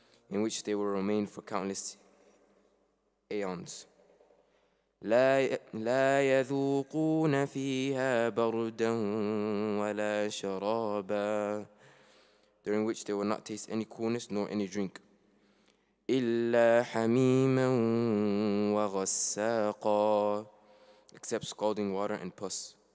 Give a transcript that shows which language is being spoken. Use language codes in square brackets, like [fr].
[en] In which they will remain for countless aeons. [ar] لا يذوقون فيها بردا ولا شرابا. [en] During which they will not taste any coolness nor any drink. [ar] إلا حميما وغساقا. [en] Except scalding water and pus.